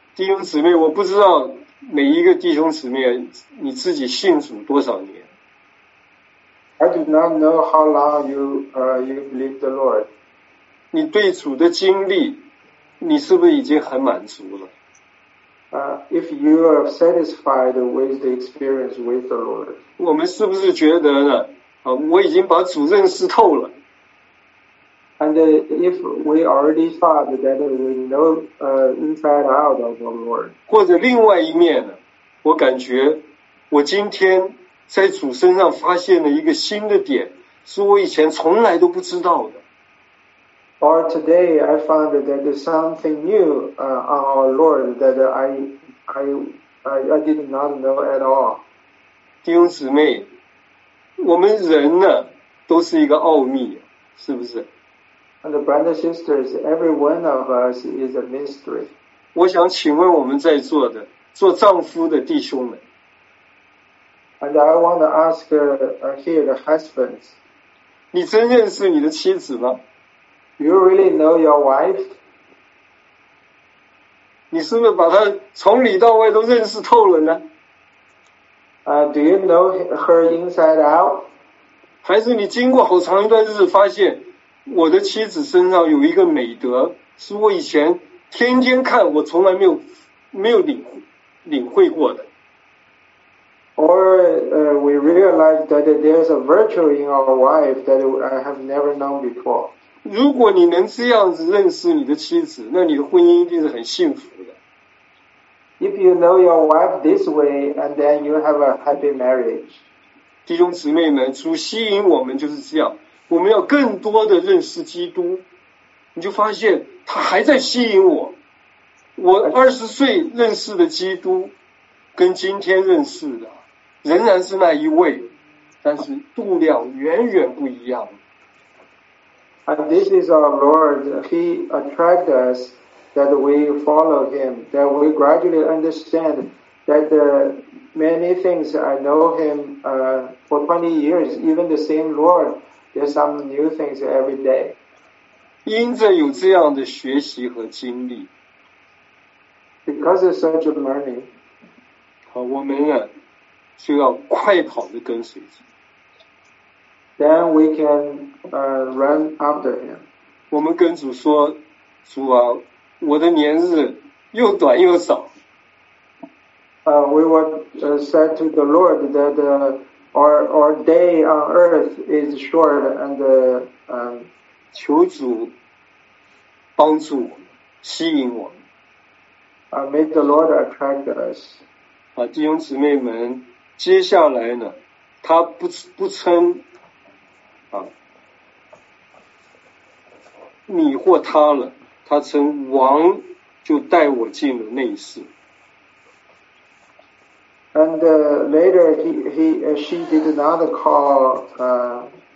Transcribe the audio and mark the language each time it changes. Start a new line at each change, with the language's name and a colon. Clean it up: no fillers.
Chinese: 弟兄姊妹，我不知道每一个弟兄姊妹你自己信主多少年。
English: I do not know how long you believe the Lord.
Chinese: 你对主的经历。你是不是已经很满足了？
English: If you are satisfied with the experience with the Lord,
Chinese: 我们是不是觉得呢？我已经把主认识透了。
English: And if we already thought that we know inside out of the Lord,
Chinese: 或者另外一面呢？我感觉我今天在主身上发现了一个新的点，是我以前从来都不知道的。
English: Or today, I found that there's something new on our Lord that I did not know at all.
Chinese: 弟兄姊妹，我们人呢都是一个奥秘，是不是？
English: And the brothers and sisters, every one of us is a mystery.
Chinese: 我想请问我们在座的做丈夫的弟兄们。
English: And I want to ask here the husbands.
Chinese: 你真认识你的妻子吗？
English: You really know your wife?
Chinese: 你是不是把他从里到外都认识透了呢？
English: Do you know her inside out?
Chinese: 还是你经过好长一段日子发现我的妻子身上有一个美德是我以前天天看我从来没有领会过的。
English: Or we realize that there's a virtue in our wife that I have never known before.
Chinese: 如果你能这样子认识你的妻子，那你的婚姻一定是很幸福的。
English: If you know your wife this way, and then you have a happy marriage.
Chinese: 弟兄姊妹们，主吸引我们就是这样，我们要更多的认识基督，你就发现他还在吸引我。我20岁认识的基督，跟今天认识的仍然是那一位，但是度量远远不一样。
English: And this is our Lord. He attracts us that we follow him, that we gradually understand that the many things I know him for 20 years, even the same Lord, there's some new things every day.
Chinese: 因着有这样的学习和经历
English: Because of such a learning,
Chinese: 好，我们啊，就要快跑地跟随着。
English: Then we can run after him.
Chinese: 我们跟主说，主啊，我的年日又短又少。
English: We would say to the Lord that our day on earth is short and
Chinese: 求主帮助我，吸引我。
English: May the Lord attract us.
Chinese: 啊，弟兄姊妹们，接下来呢，他不称。你或他了，他称王，就带我进了内室。
English: And later she did not call him.